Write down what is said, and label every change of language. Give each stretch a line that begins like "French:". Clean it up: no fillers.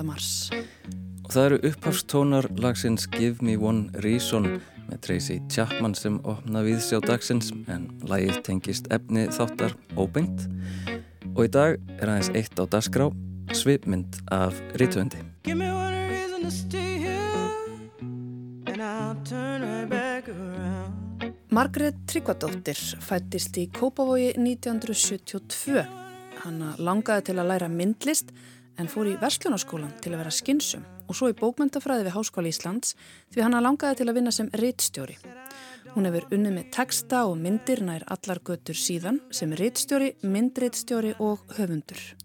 Icelandic: mars. Og það eru upphafstónar lagsins Give Me One Reason með Tracy Chapman sem opna við sjá dagsins en lagið tengist efni þáttar óbeint. Og í dag er aðeins eitt á dagskrá, svipmynd af rithöfundi.
English: Give me one reason to stay here and I'll turn right back around.
Icelandic: Margrét Tryggvadóttir fæddist í Kópavogi 1972. Hanna langaði til að læra myndlist en fór í verslunarskólan til að vera skynsum og svo í bókmenntafræði við Háskóla Íslands því hanna langaði til að vinna sem ritstjóri. Hún hefur unnið með texta og myndir nær allar götur síðan sem ritstjóri, myndritstjóri og höfundur.